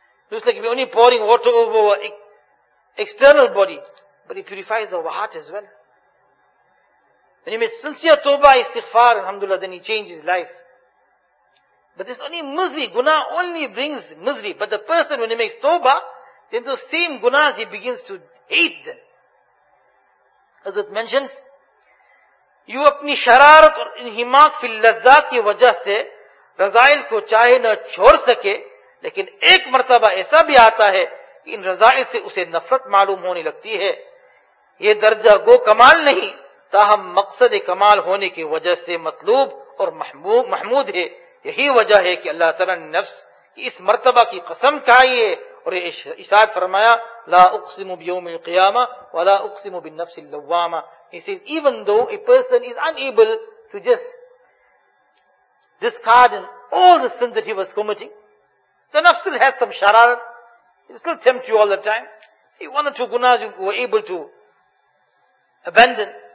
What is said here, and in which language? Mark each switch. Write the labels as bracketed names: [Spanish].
[English] Looks like we're only pouring water over our external body, but it purifies our heart as well. When he made sincere tawbah, istighfar, alhamdulillah, then he changed his life. But this only misery, guna only brings misery. But the person, when he makes tawbah, then those same gunas he begins to hate them. As it mentions, [Urdu] you اپنی شرارت اور انہماک فی اللذات کی وجہ سے رضائل کو چاہے نہ چھوڑ سکے, لیکن ایک مرتبہ ایسا بھی آتا ہے کہ ان رضائل سے اسے نفرت معلوم ہونے لگتی ہے. یہ درجہ گو کمال نہیں, تاہم مقصد کمال ہونے کی وجہ سے مطلوب اور محمود ہے. یہی وجہ ہے کہ اللہ تعالیٰ نے نفس کی اس مرتبہ کی قسم کھائی ہے اور ارشاد فرمایا, [Arabic] لا اقسم بیوم القیامہ ولا اقسم بالنفس اللوامہ. [English] He says, even though a person is unable to just discard in all the sins that he was committing, the nafs still has some shararat. It still tempts you all the time. See, one or two gunas you were able to abandon.